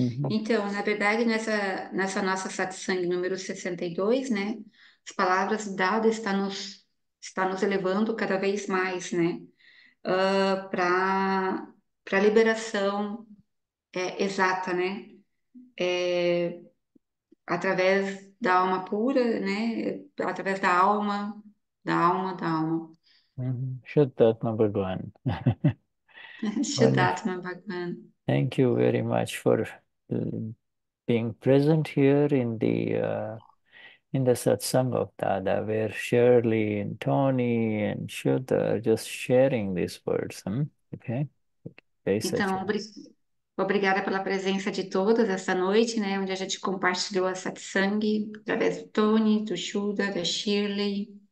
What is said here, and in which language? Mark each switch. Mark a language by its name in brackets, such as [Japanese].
[Portuguese] Então, na verdade, nessa nossa satsang número 62, né, as palavras dada está nos elevando cada vez mais, né, para a liberação exata, né, através da alma pura, né, através da alma, da alma, da alma. [Gujarati] Shuddhatma Bhagwan. Shuddhatma Bhagwan. [English] Thank you very much for being present here in the satsang of Dada, where Shirley and Tony and Shuddha are just sharing these words. Okay? [Portuguese] Então, obrigada pela presença de todas essa noite, né, onde a gente compartilhou a satsang através do Tony, do Shuddha, da Shirley.